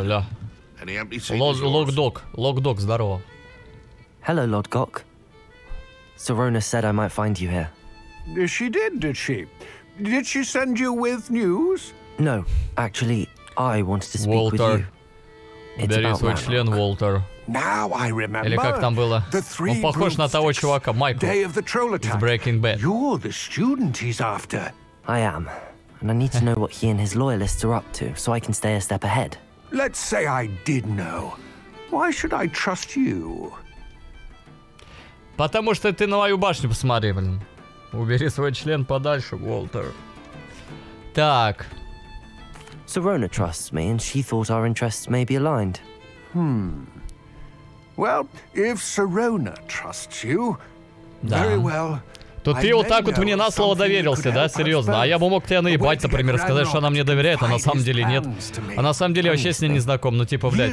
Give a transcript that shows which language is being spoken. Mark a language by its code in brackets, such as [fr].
[en] Оля. Any empty seats? [ru] Лодгок. Лодгок, здорово. [en] Hello, Lodgok. Serona said I might find you here. She did she? Did she send you with news? No, actually, I wanted to speak Walter. With you. Walter. [ru] Бери свой член, Walter. [en] Now I remember. [ru] Или как там было? Он похож на того чувака, Майкла. [en] Day of the Troll Attack. [ru] Из Breaking Bad. [en] You're the student he's after. I am. And I need to know what he and his loyalists are up to, so I can stay a step ahead. Let's say I did know. Why should I trust you? [ru] Потому что ты на мою башню посмотри, блин. Убери свой член подальше, Уолтер. Так. [en] Serona trusts me, and she thought our interests may be aligned. Hmm. Well, if Serona trusts you, very well. [ru] То ты вот так вот мне на слово доверился, да, серьезно? А я бы мог тебя наебать, например, сказать, что она мне доверяет, а на самом деле нет. А на самом деле вообще с ней не знаком, ну типа, блядь.